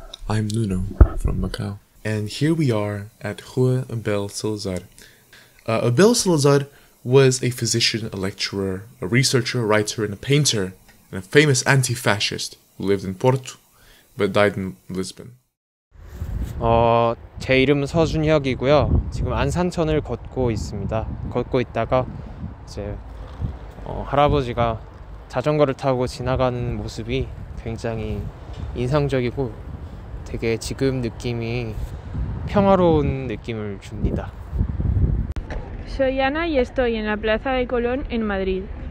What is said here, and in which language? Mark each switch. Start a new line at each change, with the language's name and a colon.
English: I'm Nuno from Macau and here we are at Hua Abel Salazar. Abel Salazar was a physician, a lecturer, a researcher, a writer, and a painter, and a famous anti-fascist who lived in Porto, but died in Lisbon.
Korean: 제 이름은 서준혁이고요. 지금 안산천을 걷고 있습니다. 걷고 있다가 이제 할아버지가 자전거를 타고 지나가는 모습이 굉장히 인상적이고 되게 지금 느낌이 평화로운 느낌을 줍니다.
Spanish: Soy Ana y estoy en la Plaza de Colón en Madrid.